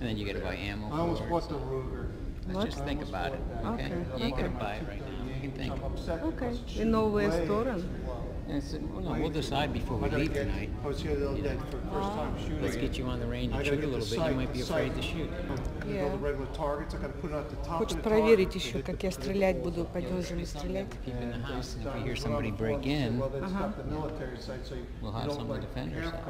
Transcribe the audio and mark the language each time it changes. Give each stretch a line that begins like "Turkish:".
English: And then you got to buy ammo for it. I almost bought the Ruger. Let's just think about it, okay? Okay. You ain't going to buy it right now. You can think. Okay. In Norway store. We'll decide before we leave tonight. I was here the other day for the first time shooting. Let's get you on the range and shoot a little bit. You might be afraid to shoot.
Russian: Хочу проверить еще, как я стрелять буду, продолжим стрелять.
English: Keep in the house, and if we hear somebody break in, we'll have some of the defenders.